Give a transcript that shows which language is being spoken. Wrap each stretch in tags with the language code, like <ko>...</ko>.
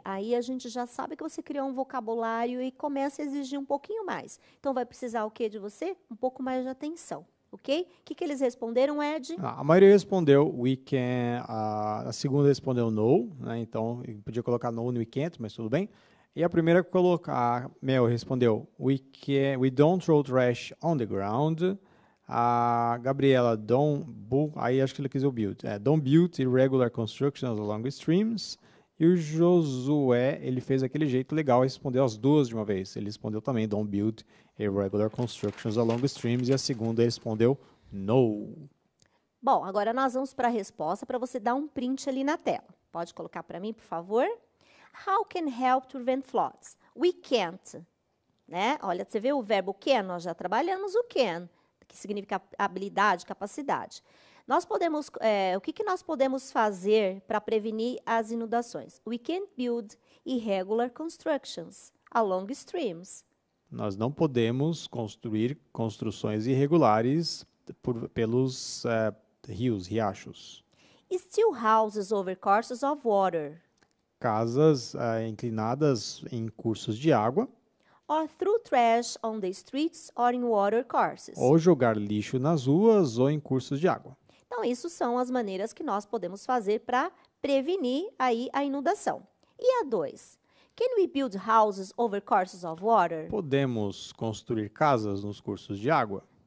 <pt>Aí a gente já sabe que você criou um vocabulário e começa a exigir um pouquinho mais. Então, vai precisar o quê de você? Um pouco mais de atenção, ok? O que, que eles responderam, Ed? A maioria respondeu</pt> <en>we can.</en> <pt>A segunda respondeu no, né? Então, podia colocar</pt> <en>no we can't,</en> <pt>mas tudo bem. E a primeira colocar, Mel, respondeu</pt> <en>we don't throw trash on the ground. A Gabriela, don't build irregular constructions along streams.</en> <pt>E o Josué, ele fez aquele jeito legal e respondeu as duas de uma vez. Ele respondeu também,</pt> <en>don't build irregular constructions along streams.</en> <pt>E a segunda respondeu, no. Bom, agora nós vamos para a resposta para você dar um print ali na tela. Pode colocar para mim, por favor?</pt> <en>How can help to prevent floods? We can't.</en> <pt>Né? Olha, você vê o verbo can, nós já trabalhamos o can. Que significa habilidade, capacidade. Nós podemos, o que nós podemos fazer para prevenir as inundações?</pt> <en>We can't build irregular constructions along streams.</en> <pt>Nós não podemos construir construções irregulares pelos rios, riachos.</pt> <en>Steel houses over courses of water.</en> <pt>Casas inclinadas em cursos de água.</pt> <en>Or through trash on the streets or in water courses.</en> <pt>Ou jogar lixo nas ruas ou em cursos de água. Então, isso são as maneiras que nós podemos fazer para prevenir aí a inundação. E a 2?</pt> <en>Can we build houses over courses of water?</en> <pt>Podemos construir casas nos cursos de água?</pt>